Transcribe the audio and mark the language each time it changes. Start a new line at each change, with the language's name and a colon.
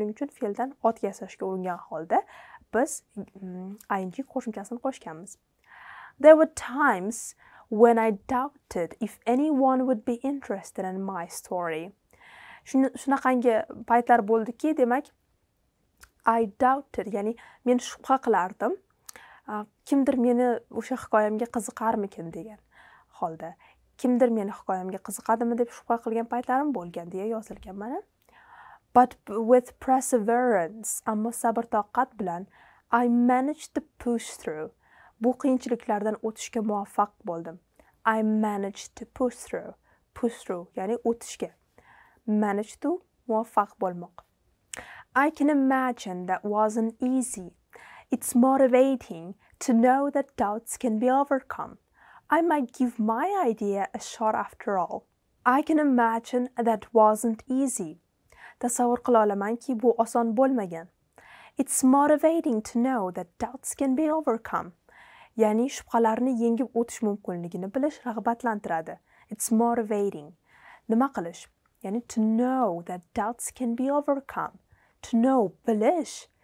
Uzbek: Shuning uchun fe'ldan ot yasashga uringan holda biz ing qo'shimchasini qo'shganmiz.
English: There were times when I doubted if anyone would be interested in my story.
Uzbek: Shunaqangi paytlar bo'ldiki, demak,
English: I doubted,
Uzbek: ya'ni men shubha qilardim. Kimdir meni o'sha hikoyamga qiziqarmikin degan holda. Kimdir meni hikoyamga qiziqadimi deb shubha qilgan paytlarim bo'lgan deya yozilgan mana.
English: But with perseverance,
Uzbek: ammo sabr toqat bilan,
English: I managed to push through.
Uzbek: Bu qiyinchiliklardan o'tishga muvaffaq bo'ldim.
English: I managed to push through. Push through,
Uzbek: ya'ni o'tishga.
English: Managed to
Uzbek: muvaffaq bo'lmoq.
English: I can imagine that wasn't easy. It's motivating to know that doubts can be overcome. I might give my idea a shot after all. I can imagine that wasn't easy.
Uzbek: Tasavvur qila olamanki, bu oson bo'lmagan.
English: It's motivating to know that doubts can be overcome.
Uzbek: Ya'ni shubhalarni yengib o'tish mumkinligini bilish rag'batlantiradi.
English: It's motivating.
Uzbek: Nima qilish? Ya'ni
English: to know that doubts can be overcome. To know,
Uzbek: bilish.